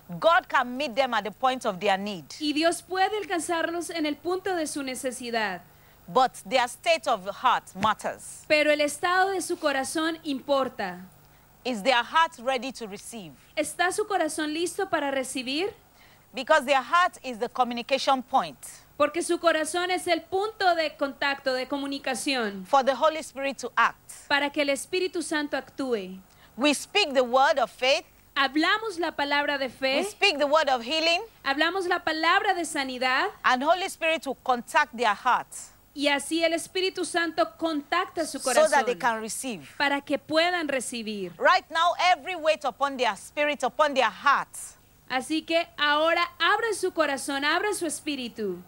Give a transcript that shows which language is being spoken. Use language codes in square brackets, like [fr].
[en] God can meet them at the point of their need. [es] Y Dios puede alcanzarlos en el punto de su necesidad. [en] But their state of heart matters. [es] Pero el estado de su corazón importa. [en] Is their heart ready to receive? [es] ¿Está su corazón listo para recibir? [en] Because their heart is the communication point. [es] Porque su corazón es el punto de contacto, de comunicación. [en] For the Holy Spirit to act. [es] Para que el Espíritu Santo actúe. [en] We speak the word of faith. [es] Hablamos la palabra de fe. [en] We speak the word of healing. [es] Hablamos la palabra de sanidad. [en] And Holy Spirit will contact their hearts. [es] Y así el Espíritu Santo contacta su corazón. [en] So that they can receive. [es] Para que puedan recibir. [en] Right now, every weight upon their spirit, upon their hearts. [es] Así que ahora abra su corazón, abra su espíritu.